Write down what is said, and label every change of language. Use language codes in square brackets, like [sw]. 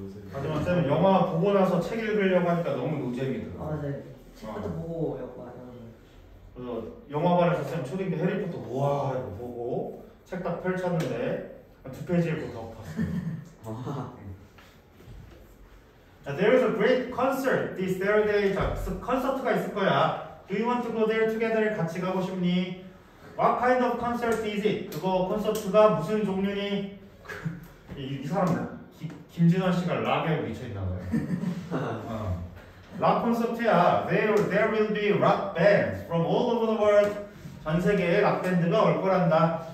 [ko] 하지만 쌤은 영화 보고 나서 책 읽으려고 하니까 너무 노잼이더라고요. 아, 네. 책부터 보고 영화. 그래서 영화관에서 쌤 초딩 때 해리포터 우와 이거 보고 책 딱 펼쳤는데 두 페이지 읽고 더 봤어요. [en] 자, there is a great concert this Saturday. 자, [ko] 콘서트가 있을 거야. [en] Do you want to go there together? [ko] 같이 가고 싶니? [en] What kind of concert is it? [ko] 그거 콘서트가 무슨 종류니? 이 사람은 김진환 씨가 락에 미쳐있나 봐요. 락 콘서트야. [en] There will be rock bands from all over the world. [ko] 전 세계에 락 밴드가 올 거란다.